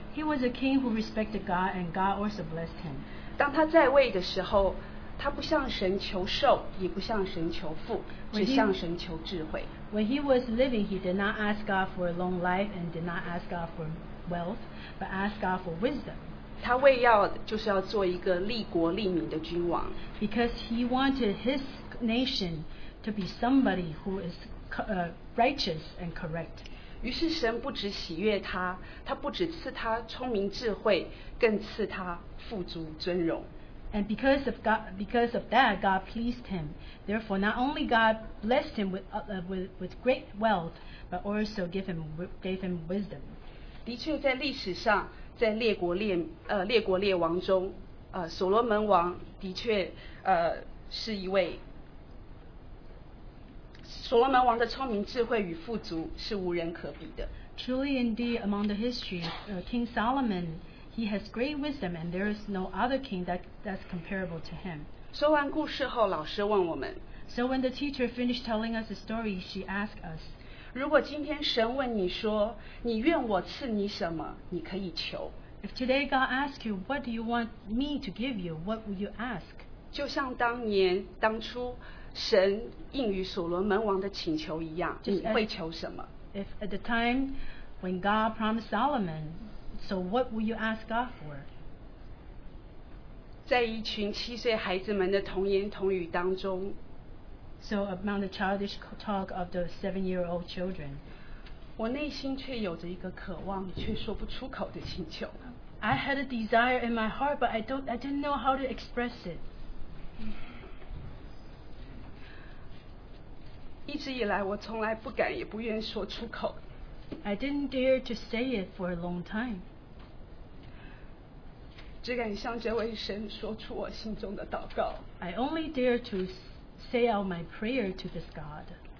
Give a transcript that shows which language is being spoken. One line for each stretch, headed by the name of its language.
English: He was a king who respected God, and God also blessed him.
Chinese: 当他在位的时候，他不向神求寿，也不向神求富，只向神求智慧。
English: When he was living, he did not ask God for a long life and did not ask God for wealth, but asked God for wisdom.
Chinese: 他为要就是要做一个利国利民的君王。
English: Because he wanted his nation to be somebody who is righteous and correct.
Chinese: 于是神不只喜悦他，他不只赐他聪明智慧，更赐他富足尊荣。
English: And because of that, God pleased him. Therefore, not only God blessed him with great wealth, but also gave him wisdom.
Chinese: 的确，在历史上，在列国列王中，所罗门王的确是一位所罗门王的聪明智慧与富足是无人可比的。
English: Truly, indeed, among the history, King Solomon. He has great wisdom, and there is no other king that's comparable to him.
Chinese: 说完故事后，老师问我们。
English: So when the teacher finished telling us the story, she asked us.
Chinese: 如果今天神问你说，你愿我赐你什么，你可以求。
English: If today God asks you, what do you want me to give you? What will you ask?
Chinese: 就像当年当初神应于所罗门王的请求一样，你会求什么？
English: If at the time when God promised Solomon. So what will you ask God for?
Chinese: 在一群七岁孩子们的童言童语当中
English: So among the childish talk of the seven-year-old children
Chinese: 我内心却有着一个渴望却说不出口的请求
English: I had a desire in my heart but I didn't know how to express it
Chinese: 一直以来我从来不敢也不愿说出口
English: I didn't dare to say it for a long time.
Chinese: 只敢向这位神说出我心中的祷告。
English: I only dare to say out my prayer to this God.